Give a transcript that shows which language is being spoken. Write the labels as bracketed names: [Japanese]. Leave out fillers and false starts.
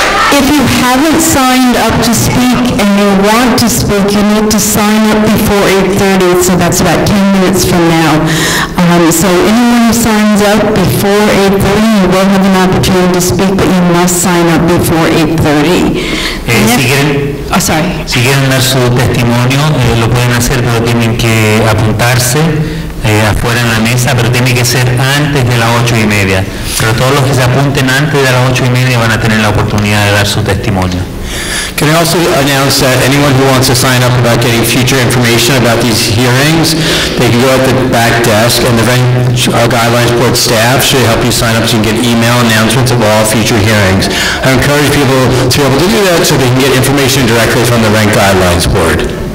[English] If you haven't signed up to speak and you want to speak, you need to sign up before 8:30, so that's about 10 minutes from now. So anyone who signs up before 8:30, you will have an opportunity to speak, but you must sign up before 8:30. [Spanish] Si quieren dar su testimonio, lo pueden hacer, pero tienen que apuntarse. Afuera en la mesa, pero tiene que ser antes de las 8:30. Pero todos los que se apunten antes de las 8:30 van a tener la oportunidad de dar su testimonio. [English] Can I also announce that anyone who wants to sign up about getting future information about these hearings, they can go at the back desk, and the venue guidelines board staff should help you sign up so you can get email announcements of all future hearings. I encourage people to be able to do that so they can get information directly from the rank guidelines board.